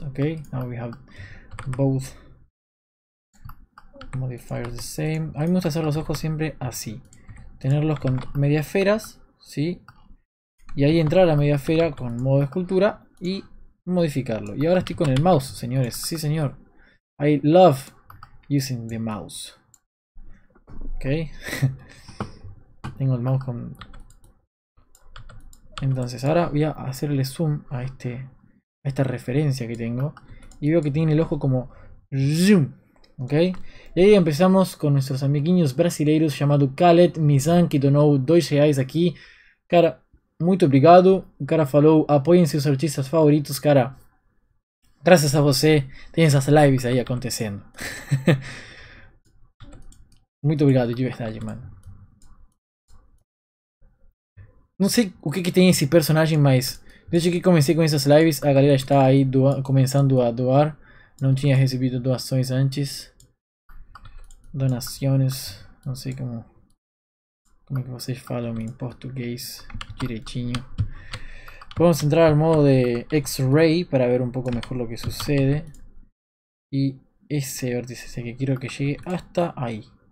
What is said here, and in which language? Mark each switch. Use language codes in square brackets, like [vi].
[en] Ok, now we have both modifiers the same. [es] A mí me gusta hacer los ojos siempre así, tenerlos con media esferas, ¿sí? Y ahí entrar a la media esfera con modo de escultura y modificarlo. Y ahora estoy con el mouse, señores, sí, señor. [en] I love using the mouse. [es] Ok. Tengo el mouse con Entonces, ahora voy a hacerle zoom a esta referencia que tengo. Y veo que tiene el ojo como zoom. ¿Ok? Y ahí empezamos con nuestros [pt] amiguinhos brasileiros [es] llamado Khaled, Mizan, que donó 2 reais aquí. [pt] Cara, muito obrigado. O cara falou, apoiem seus artistas favoritos, cara. Gracias a você, tem essas lives aí acontecendo. Muito obrigado, de verdade, mano. Não sei o que tem esse personagem, mas desde que comecei com essas lives, a galera está aí começando a doar. Não tinha recebido doações antes. Donaciones. Não sei como. Como é que vocês falam em português direitinho? [es] Vamos entrar al modo de X-Ray para ver un poco mejor lo que sucede. Y ese vértice es el que quiero que llegue hasta ahí.